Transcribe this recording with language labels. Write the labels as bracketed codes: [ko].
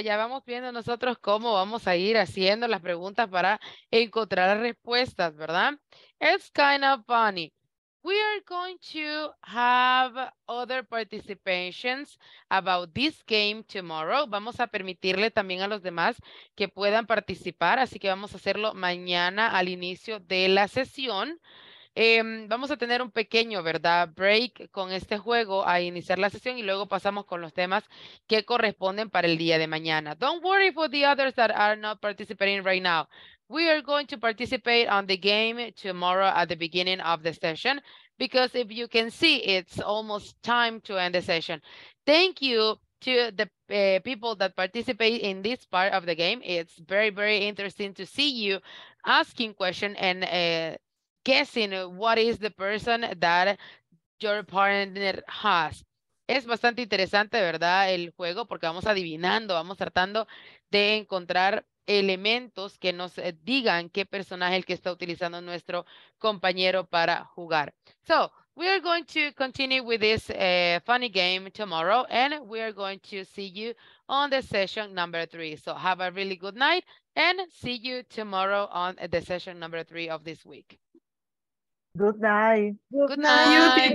[es] Ya vamos viendo nosotros cómo vamos a ir haciendo las preguntas para encontrar respuestas, ¿verdad? [en] It's kind of funny. We are going to have other participations about this game tomorrow. [es] Vamos a permitirle también a los demás que puedan participar, así que vamos a hacerlo mañana al inicio de la sesión. Vamos a tener un pequeño, ¿verdad?, break con este juego a iniciar la sesión y luego pasamos con los temas que corresponden para el día de mañana. [en] Don't worry for the others that are not participating right now. We are going to participate on the game tomorrow at the beginning of the session, because if you can see, it's almost time to end the session. Thank you to the people that participate in this part of the game. It's very, very interesting to see you asking questions and guessing what is the person that your partner has. [es] Es bastante interesante, ¿verdad? El juego, porque vamos adivinando, vamos tratando de encontrar elementos que nos digan qué personaje es el que está utilizando nuestro compañero para jugar. [en] So, we are going to continue with this funny game tomorrow, and we are going to see you on the session number 3. So, have a really good night, and see you tomorrow on the session number 3 of this week. Good night. Good night.